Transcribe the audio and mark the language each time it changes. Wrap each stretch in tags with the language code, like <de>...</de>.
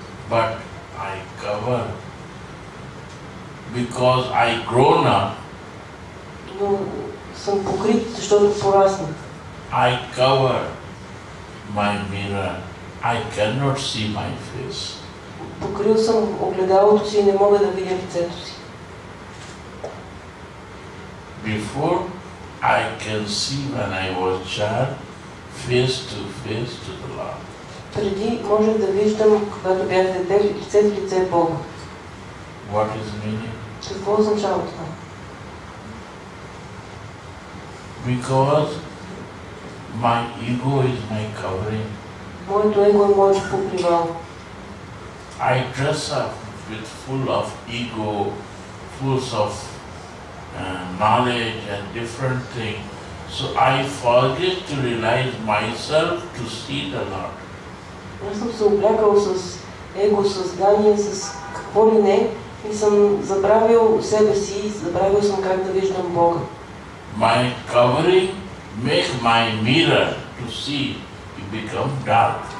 <en>But I cover because I grown up.</en> <bg>Но съм покрит, защото порасна.</bg> <en>I cover my mirror. I cannot see my face.</en> <bg>Покрил съм огледалото си и не мога да видя лицето си.</bg> <en>Before I can see when I was child face to face to the Lord.</en> <bg>Преди може да виждам когато бях дете лице в лице Бога.</bg> <en>What is meaning?</en> <bg>Какво означава това?</bg> <en>Because my ego is my covering.</en> <bg>Моето его е моето покривало.</bg> <en>I dress up with full of ego, full of knowledge and different thing, so I forget to realize myself to see the Lord.</en> <bg>Аз съм се облякал с его, с знание, с какво ли не, и съм забравил себе си, забравил съм как да виждам Бога.</bg> <en>My covering make my mirror to see it become dark.</en>